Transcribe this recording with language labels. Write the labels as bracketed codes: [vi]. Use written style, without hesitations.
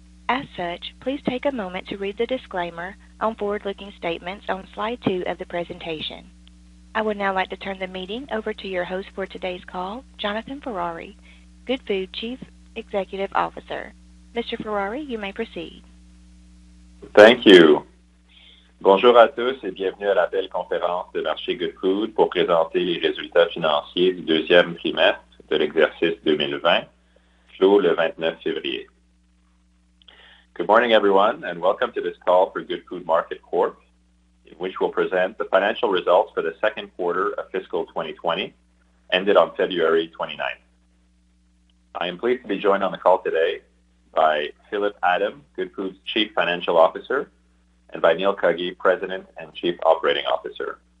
[en] As such, please take a moment to read the disclaimer on forward-looking statements on slide 2 of the presentation. I would now like to turn the meeting over to your host for today's call, Jonathan Ferrari, Goodfood Chief Executive Officer. Mr. Ferrari, you may proceed. Thank you. [fr] Bonjour à tous et bienvenue à l'appel conférence de marché Goodfood pour présenter les résultats financiers du deuxième trimestre de l'exercice 2020, clos le 29 février. [en] Good morning, everyone, and welcome to this call for Goodfood Market Corp, in which we'll present the financial results for the second quarter of fiscal 2020, ended on February 29th. I am pleased to be joined on the call today by Philip Adam, Goodfood's Chief Financial Officer, and by Neil Cuggy, President and Chief Operating Officer.